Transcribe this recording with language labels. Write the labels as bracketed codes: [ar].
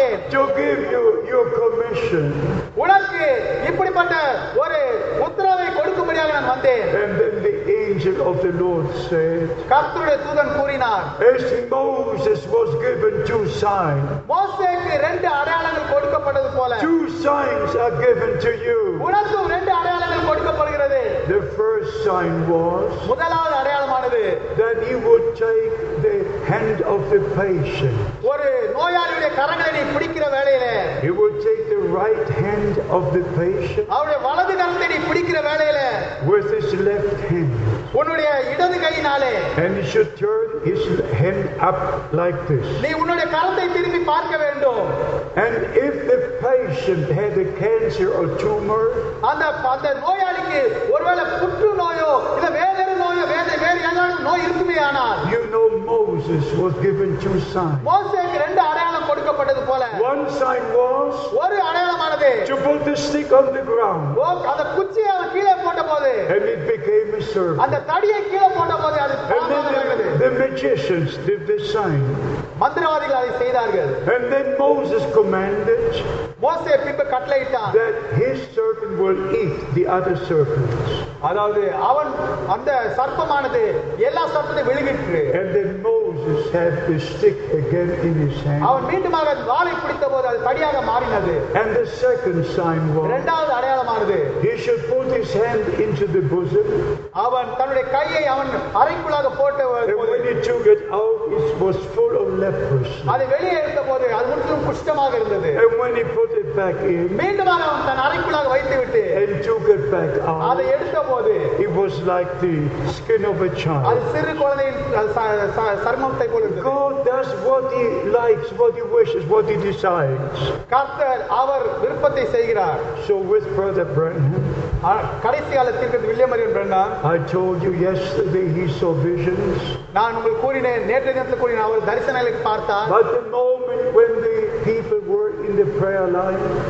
[en] To give you your commission. [ta] உனக்கு இப்படிப்பட்ட ஒரு உத்தரவை கொடுக்கும்படியாக நான் வந்தேன். [en] And then the angel of the Lord said. [ta] கர்த்தருடைய தூதன் கூறினார். [en] As Moses was given two signs. [ta] மோசேக்கு ரெண்டு அடையாளங்கள் கொடுக்கப்பட்டது போல. [en] Two signs are given to you. [ta] உனக்கு ரெண்டு அடையாளங்கள் கொடுக்கப்படுகிறது. [en] The first sign was. [ta] முதலாவது அடையாளமானது. [en] That he would take the hand of the patient. [ta] ஒரு நோயாளியுடைய கரங்களை பிடிக்கிற வேளையிலே. [en] He would take the right hand of the patient. [ta] அவருடைய வலது கரத்தை பிடிக்கிற வேளையிலே. [en] With his left hand. [ta] உன்னுடைய இடது கையினாலே. [en] And he should turn his hand up like this. [ta] நீ உன்னுடைய கரத்தை திரும்பி பார்க்க வேண்டும். [en] And if the patient had a cancer or tumor. [ta] அந்த நோயாளிக்கு ஒருவேளை புற்றுநோயோ இல்ல வேறு நோயோ வேறு ஏதாவது நோய் இருக்குமே ஆனால். [en] You know Moses was given two signs. [ta] மோசேக்கு ரெண்டு அடையாளம் கொடுக்கப்பட்டது போல. [en] One sign was. [ta] ஒரு அடையாளமானது. [en] To put the stick on the ground. [ta] அந்த குச்சியை அவன் கீழே போட்டபோது. [en] And it became a serpent. [ta] அந்த தடியை கீழே போட்டபோது அது பாம்பானது. [en] The magicians did this sign. [ta] மந்திரவாதிகள் அதை செய்தார்கள். [en] And then Moses commanded. [ta] மோசே பின்பு கட்டளையிட்டான். [en] That his serpent will eat the other serpents. [ta] அதாவது அவன் அந்த சர்ப்பமானது எல்லா சர்ப்பத்தையும் விழுங்கிற்று. [en] And then Moses Moses had the stick again in his hand. [ta] அவன் மீண்டும் அந்த வாளை பிடித்தபோது அது தடியாக மாறினது. [en] And the second sign was. [ta] இரண்டாவது அடையாளமானது. [en] He should put his hand into the bosom. [ta] அவன் தன்னுடைய கையை அவன் அரைக்குள்ளாக போட்டபோது. [en] When he took it out, it was full of leprosy. [ta] அது வெளியே எடுத்தபோது அது முற்றிலும் குஷ்டமாக இருந்தது. [en] And when he put it back in. [ta] மீண்டும் அவன் தன் அரைக்குள்ளாக வைத்துவிட்டு. [en] And took it back out. [ta] அதை எடுத்தபோது. [en] It was like the skin of a child. [ta] அது சிறு குழந்தையின் சர்மத்தை போல இருந்தது. [en] God does what he likes, what he wishes, what he decides. [ta] கர்த்தர் அவர் விருப்பத்தை செய்கிறார். [en] So with Brother Branham. [ta] கடைசி காலத்திற்கு William Aryan பிரண்ணம். [en] I told you yesterday he saw visions. [ta] நான் உங்களுக்கு கூறினேன், நேற்று தினத்தில் கூறினேன், அவர் தரிசனங்களை பார்த்தார். [en] But the moment when the people were in the prayer line.